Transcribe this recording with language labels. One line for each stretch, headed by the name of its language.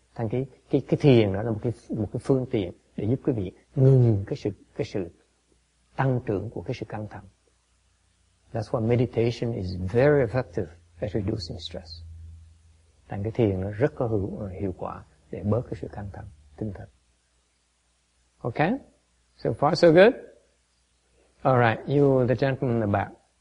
Vietnamese: Thành cái thiền đó là một cái phương tiện để giúp quý vị ngừng cái sự tăng trưởng của cái sự căng thẳng.
English: That's why meditation is very effective at reducing stress.
Vietnamese: Thành cái thiền nó rất có hiệu quả để bớt cái sự căng thẳng tinh thần.
English: Okay? So far so good? All right, you the gentleman in the back.